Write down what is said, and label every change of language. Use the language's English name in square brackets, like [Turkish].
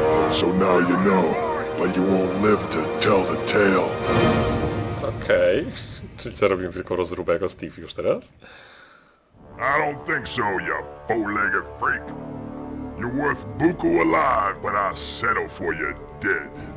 [English] So now you know, but you won't live to tell the tale. Okay. [Polish] Czyli co robimy, tylko rozróbę jako Steve już teraz? [English] I don't think so, you four-legged freak. You're worth buku alive, but I settle for you dead.